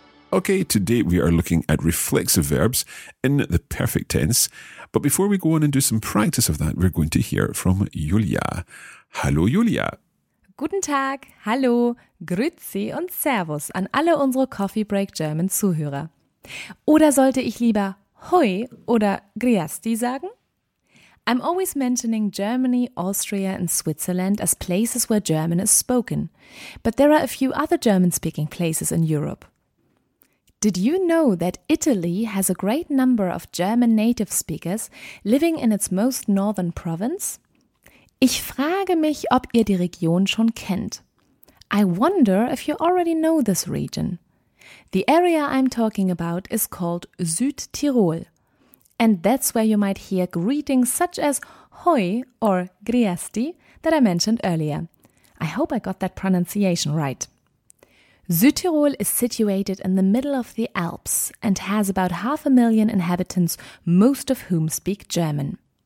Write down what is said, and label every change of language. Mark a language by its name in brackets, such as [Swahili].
[English] Okay, today we are looking at reflexive verbs in the perfect tense. But before we go on and do some practice of that, we're going to hear from Julia. [German] Hallo, Julia. Guten Tag, hallo, grüezi und servus an alle unsere Coffee Break German Zuhörer. Oder sollte ich lieber hoi oder griasti sagen? [English] I'm always mentioning Germany, Austria and Switzerland as places where German is spoken. But there are a few other German-speaking places in Europe. Did you know that Italy has a great number of German native speakers living in its most northern province? [German] Ich frage mich, ob ihr die Region schon kennt. [English] I wonder if you already know this region. The area I'm talking about is called Südtirol. And that's where you might hear greetings such as hoi or griesti that I mentioned earlier. I hope I got that pronunciation right. Südtirol is situated in the middle of the Alps and has about 500,000 inhabitants, most of whom speak German.